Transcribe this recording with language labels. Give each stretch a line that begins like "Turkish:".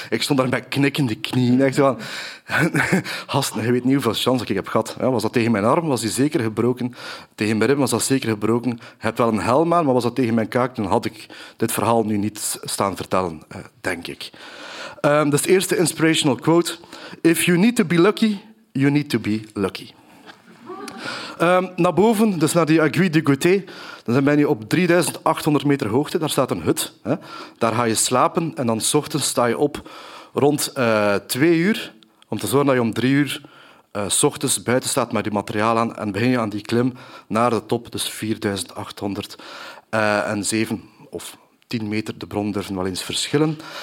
Dutch: Ik stond daar met knikkende knieën, echt zo van, gast, je weet niet hoeveel chance ik heb gehad. Was dat tegen mijn arm, was die zeker gebroken. Tegen mijn rib was dat zeker gebroken. Je hebt wel een helm aan, maar was dat tegen mijn kaak, dan had ik dit verhaal nu niet staan vertellen, denk ik. Dat is de eerste inspirational quote.
English: If you need to be lucky, you need to be lucky.
Dutch: Naar boven, dus naar die Aiguille du Côté, dan ben je op 3800 meter hoogte, daar staat een hut. Hè. Daar ga je slapen en dan 's ochtends sta je op rond 2 uur, om te zorgen dat je om 3 uur 's ochtends buiten staat met je materiaal aan en begin je aan die klim naar de top, dus 4800 en 7 of 10 meter, de bron durven wel eens verschillen.